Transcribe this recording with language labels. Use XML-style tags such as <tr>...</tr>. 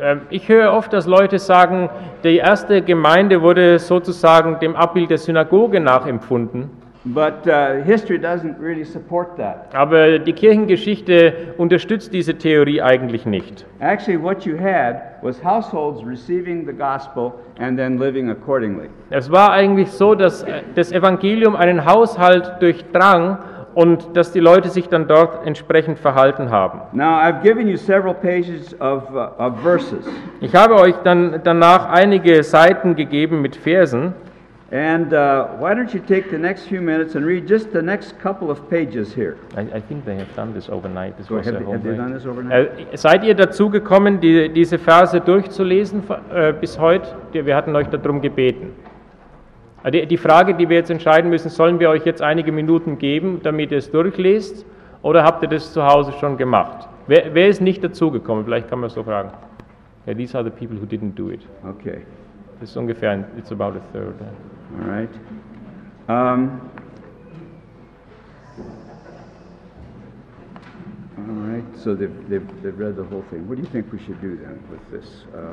<de>Ich höre oft, dass Leute sagen, die erste Gemeinde wurde sozusagen dem Abbild der Synagoge nachempfunden.</de> <en>But history doesn't really support that.</en> <de>Aber die Kirchengeschichte unterstützt diese Theorie eigentlich nicht.</de> <en>Actually, what you had was households receiving the gospel and then living accordingly.</en> <de>Es war eigentlich so, dass das Evangelium einen Haushalt durchdrang und dass die Leute sich dann dort entsprechend verhalten haben.</de> <en>Now I've given you several pages of verses.</en> <de>Ich habe euch dann danach einige Seiten gegeben mit Versen.</de> <en>And why don't you take the next few minutes and read just the next couple of pages here? I think they have done this overnight. This was have they done this overnight?</en> <de>Seid ihr dazu gekommen, diese Verse durchzulesen bis heute? Wir hatten euch darum gebeten. Die Frage, die wir jetzt entscheiden müssen, sollen wir euch jetzt einige Minuten geben, damit ihr es durchlest, oder habt ihr das zu Hause schon gemacht? Wer ist nicht dazugekommen? Vielleicht kann man so fragen.</de> <en>Yeah, these are the people who didn't do it. Okay.</en> <de>Das ist ungefähr,</de> <en>it's about a third. All right. All right, so they've read the whole thing. What do you think we should do then with this?</en>